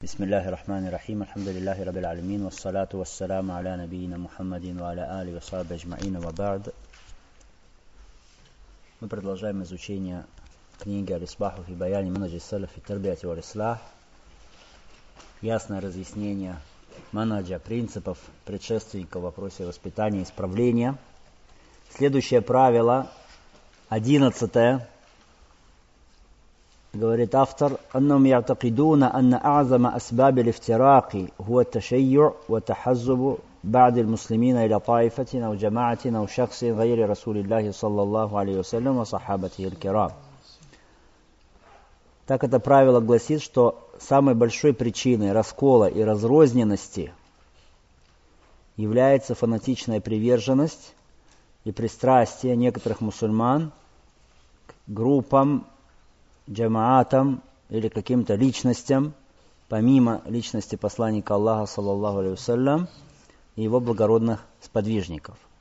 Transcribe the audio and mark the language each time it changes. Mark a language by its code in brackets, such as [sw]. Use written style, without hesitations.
[ar] بسم الله الرحمن الرحيم الحمد لله رب العالمين والصلاة والسلام على نبينا محمد وعلى آله وصحبه أجمعين وبعد. [ru] Мы продолжаем изучение книги [ar] «الإصباح في بيان منهج السلف في التربية والإصلاح». [ru] Ясное разъяснение منهج принципов предшественников в вопросе воспитания и исправления. Следующее правило, 11-е. Говорит автор, [ar] أنهم يعتقدون أن أعظم أسباب الافتراق هو التشيع وتحزب بعض المسلمين إلى طائفة أو جماعة أو شخص غير رسول الله صلى الله عليه وسلم وصحابته الكرام. [ru] Так это правило гласит, что самой большой причиной раскола и разрозненности является фанатичная приверженность и пристрастие некоторых мусульман к группам, джамаатам или каким-то личностям, помимо личности посланника Аллаха, саллаллаху алейхи ва саллям, и его благородных сподвижников.